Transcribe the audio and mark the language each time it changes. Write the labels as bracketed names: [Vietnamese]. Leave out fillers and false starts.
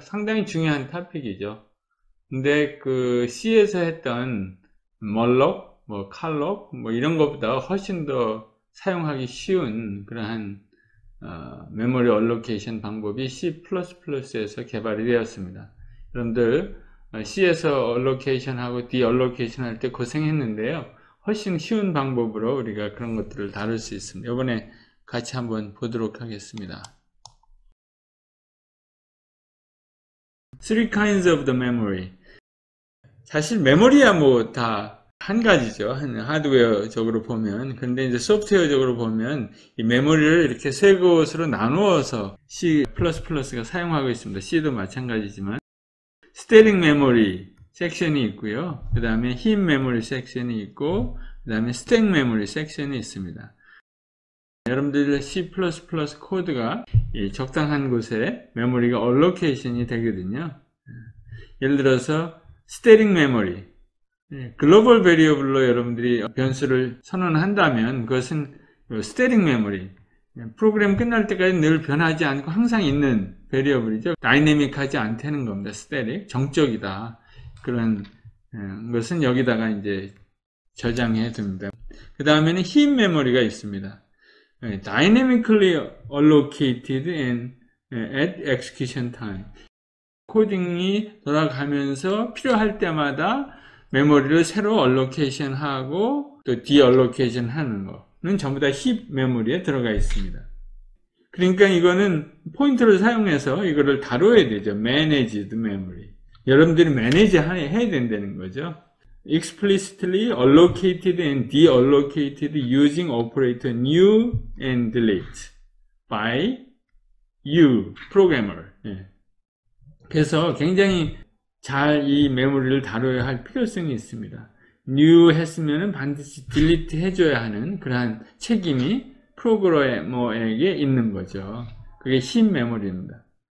[Korean] 상당히 중요한 토픽이죠. 근데 그 C에서 했던 malloc, 뭐 calloc 뭐 이런 것보다 훨씬 더 사용하기 쉬운 그러한 메모리 얼로케이션 방법이 C++에서 개발이 되었습니다. 여러분들 C에서 allocation 하고 deallocation 할때 고생했는데요. 훨씬 쉬운 방법으로 우리가 그런 것들을 다룰 수 있습니다. 이번에 같이 한번 보도록 하겠습니다. [English] Three kinds of the memory. [Korean] 사실 메모리야 뭐다한 가지죠. 하드웨어적으로 보면. 근데 이제 소프트웨어적으로 보면 이 메모리를 이렇게 세 곳으로 나누어서 C++가 사용하고 있습니다. C도 마찬가지지만. 스테링 메모리 섹션이 있고요. 그 다음에 힙 메모리 섹션이 있고, 그 다음에 스택 메모리 섹션이 있습니다. 여러분들의 C++ 코드가 적당한 곳에 메모리가 얼로케이션이 되거든요. 예를 들어서 스테링 메모리, 글로벌 베리어블로 여러분들이 변수를 선언한다면 그것은 스테링 메모리, 프로그램 끝날 때까지 늘 변하지 않고 항상 있는 variable이죠. 다이내믹하지 않다는 겁니다. static, 정적이다. 그런 것은 여기다가 이제 저장해 둡니다. 그 다음에는 힙 메모리가 있습니다. [English] dynamically allocated at execution time. [Korean] 코딩이 돌아가면서 필요할 때마다 메모리를 새로 allocation 하고 또 deallocation 하는 거는 전부 다힙 메모리에 들어가 있습니다. 그러니까 이거는 포인트를 사용해서 이거를 다뤄야 되죠. [English] Managed Memory. [Korean] 여러분들이 Manage 해야 된다는 거죠. [English] Explicitly allocated and deallocated using operator new and delete by you, programmer. [Korean] 그래서 굉장히 잘이 메모리를 다뤄야 할 필요성이 있습니다. new 했으면 반드시 delete 해줘야 하는 그러한 책임이 프로그래머에게 있는 거죠. 그게 힙 메모리입니다.